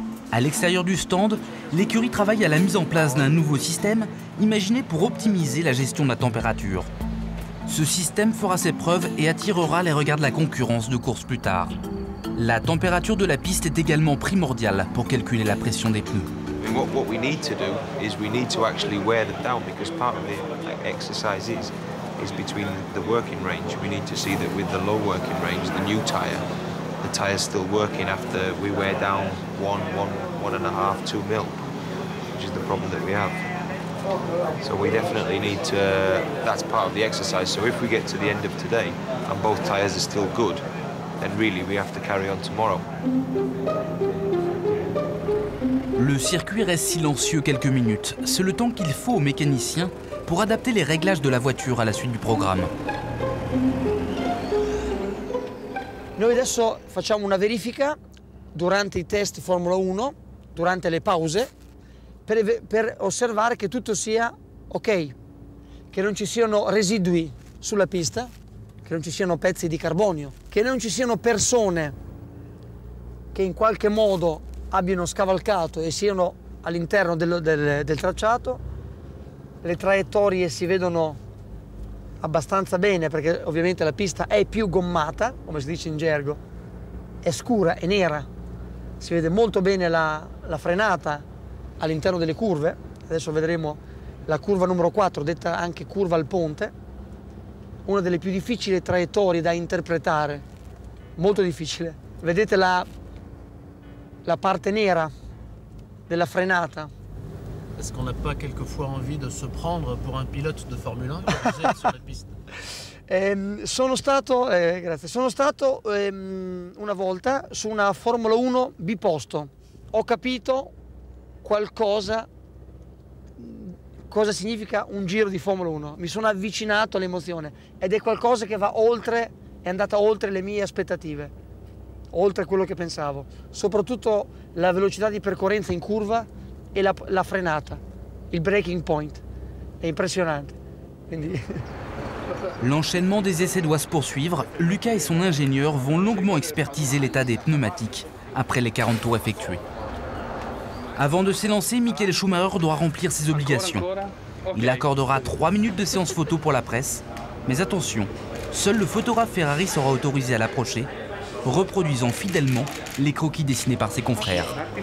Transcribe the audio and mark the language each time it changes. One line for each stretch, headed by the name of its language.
French: À l'extérieur du stand, l'écurie travaille à la mise en place d'un nouveau système imaginé pour optimiser la gestion de la température. Ce système fera ses preuves et attirera les regards de la concurrence de course plus tard. La température de la piste est également primordiale pour calculer la pression des pneus.
English: What we need to do is we need to actually wear them down because part of the exercise is between the working range. We need to see that with the low working range, the new tire, the tire is still working after we wear down one and a half, two mil, which is the problem that we have. So we definitely need to, that's part of the exercise. So if we get to the end of today and both tires are still good, then really we have to carry on tomorrow.
French: Le circuit reste silencieux quelques minutes. C'est le temps qu'il faut aux mécaniciens pour adapter les réglages de la voiture à la suite du programme.
Italian: Noi adesso facciamo una verifica durante i test Formula 1, durante le pause, per osservare che tutto sia ok, che non ci siano residui sulla pista, che non ci siano pezzi di carbonio, che non ci siano persone che in qualche modo abbiano scavalcato e siano all'interno del tracciato. Le traiettorie si vedono abbastanza bene perché ovviamente la pista è più gommata, come si dice in gergo, è scura, è nera, si vede molto bene la frenata all'interno delle curve. Adesso vedremo la curva numero 4, detta anche curva al ponte, una delle più difficili traiettorie da interpretare, molto difficile. Vedete la parte nera della frenata.
French: Est-ce qu'on n'a pas quelquefois envie de se prendre pour un pilote de Formule 1 sur la piste?
Italian: Sono stato una volta su una Formula 1 biposto. Ho capito qualcosa, cosa significa un giro di Formula 1. Mi sono avvicinato all'emozione ed è qualcosa che va oltre, è andata oltre le mie aspettative, oltre quello che pensavo. Soprattutto la velocità di percorrenza in curva e la frenata, il breaking point, è impressionante. Quindi...
French: L'enchaînement des essais doit se poursuivre. Luca et son ingénieur vont longuement expertiser l'état des pneumatiques après les 40 tours effectués. Avant de s'élancer, Michael Schumacher doit remplir ses obligations. Il accordera 3 minutes de séance photo pour la presse. Mais attention, seul le photographe Ferrari sera autorisé à l'approcher, reproduisant fidèlement les croquis dessinés par ses confrères.